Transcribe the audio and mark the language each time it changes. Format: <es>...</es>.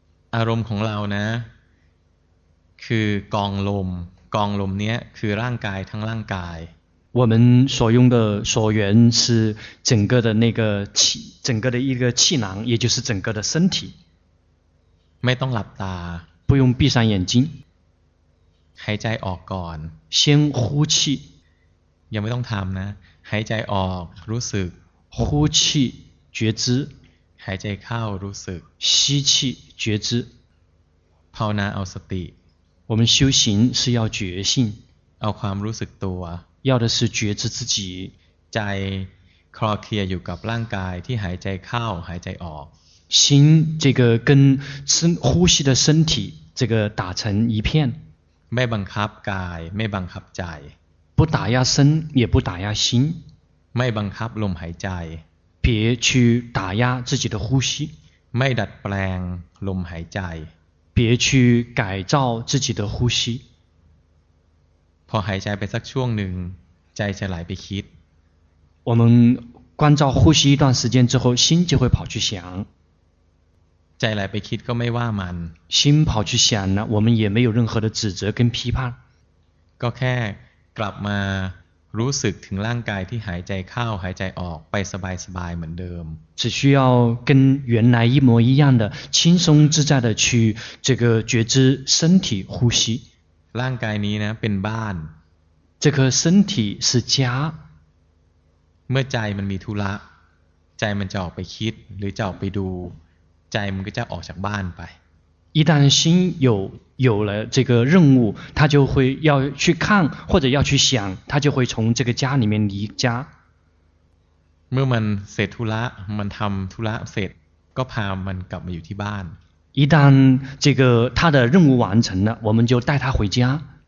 <th>อารมณ์ของเรานะคือกองลมกองลมเนี้ยคือร่างกายทั้งร่างกาย</th> <zh>我们所用的所缘是整个的那个气整个的一个气囊也就是整个的身体</zh> <th>ไม่ต้องหลับตา</th> <zh>不用闭上眼睛</zh> <th>หายใจออกก่อน</th> <zh>先呼气</zh> <th>ยังไม่ต้องทำนะหายใจออกรู้สึก</th> <zh>呼气觉知</zh> <th>หายใจเข้ารู้สึก</th> <zh>吸气觉知</zh> <th>ภาวนาเอาสติ</th> <zh>我们修行是要觉性</zh> <th>เอาความรู้สึกตัว</th> <zh>要的是觉知自己</zh> <th>ใจคลอเคลียอยู่กับร่างกายที่หายใจเข้าหายใจออก</th> <zh>心这个跟呼吸的身体这个打成一片</zh> <th>ไม่บังคับกายไม่บังคับใจ</th> <zh>不打压身也不打压心</zh> <th>ไม่บังคับลมหายใจ</th> <zh>别去打压自己的呼吸</zh> <th>ไม่ดัดแปลงลมหายใจ</th> <zh>别去改造自己的呼吸</zh> <th>พอหายใจไปสักช่วงหนึ่ง</th> <zh>再再来被吸。我们关照呼吸一段时间之后，心就会跑去想。再来被吸，就没话嘛。心跑去想了，我们也没有任何的指责跟批判。</zh> <th>就แค่กลับมารู้สึกถึงร่างกายที่หายใจเข้าหายใจออกไปสบายสบายเหมือนเดิม</th> <zh>只需要跟原来一模一样的轻松自在的去这个觉知身体呼吸</zh> <th>ร่างกายนี้นะเป็นบ้าน</th> <zh>这颗身体是家</zh> <th>เมื่อใจมันมีธุระใจมันจะออกไปคิดหรือจะออกไปดูใจมันก็จะออกจากบ้านไป</th> <zh>一旦心有了这个任务，他就会要去看或者要去想，他就会从这个家里面离家。</zh> <th>เมื่อมันเสร็จธุระมันทำธุระเสร็จก็พามันกลับมาอยู่ที่บ้าน。</th> <zh>一旦这个他的任务完成了，我们就带他回家。</zh>